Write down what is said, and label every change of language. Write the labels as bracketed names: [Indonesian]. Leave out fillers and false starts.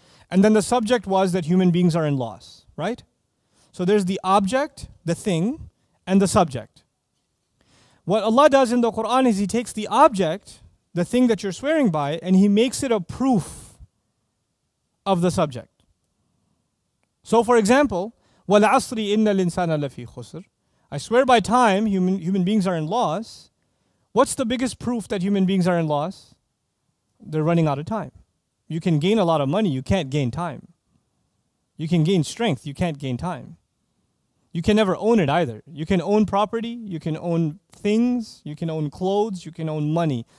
[English] And then the subject was that human beings are in loss, right? So there's the object, the thing, and the subject. What Allah does in the Quran is He takes the object, the thing that you're swearing by, and He makes it a proof of the subject. So for example, [Arabic] وَالْعَصْرِ إِنَّ الْإِنسَانَ لَفِي خُسْرٍ. [English] I swear by time, human beings are in loss. What's the biggest proof that human beings are in loss? They're running out of time. You can gain a lot of money, you can't gain time. You can gain strength, you can't gain time. You can never own it either. You can own property, you can own things, you can own clothes, you can own money.